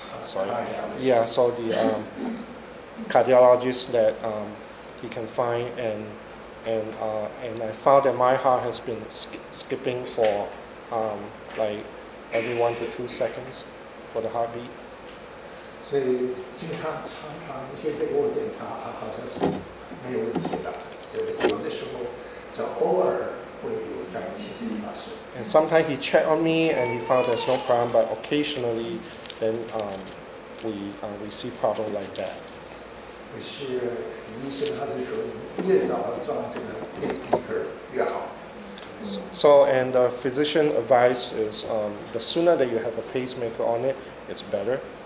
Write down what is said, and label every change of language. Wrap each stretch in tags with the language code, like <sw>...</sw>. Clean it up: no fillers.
<en>So the cardiologist that he can find and I found that my heart has been skipping for every 1 to 2 seconds for the heartbeat.</en> <zh>所以经常常常一些给我检查好像是没有问题的，有的时候就偶尔会有这样奇迹发生。</zh> <en>And sometimes he checked on me and he found there's no problem, but occasionally then we see problem like that.</en> <zh>可是医生他就说你越早装这个 pacemaker 越好。</zh> <en>So, and the physician advice is the sooner that you have a pacemaker on it, it's better.</en>